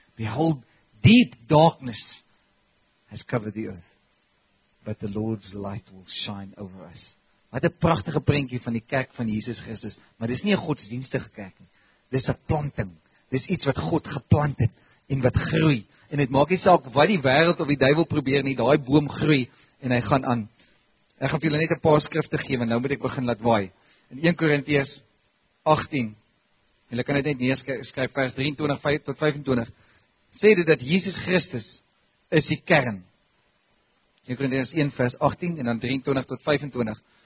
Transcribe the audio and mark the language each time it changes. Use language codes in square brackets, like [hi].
[en] Behold, deep darkness has covered the earth, but the Lord's light will shine over us. [af] Wat 'n prachtige prentjie van die kerk van Jesus Christus, maar dis nie 'n godsdienstige kerk nie, dis 'n planting. Dis iets wat God geplant het en wat groei. En dit maak nie saak wat die wêreld of die duiwel probeer nie, daai boom groei en hy gaan aan. Ek gaan vir julle net 'n paar skrifte gee, want nou moet ek begin laat waai. In 1 Korintiërs 18. Julle kan dit net neerskryf vers 23 tot 25. Sê dit dat Jesus Christus is die kern. 1 Korintiërs 1 vers 18 en dan 23 tot 25.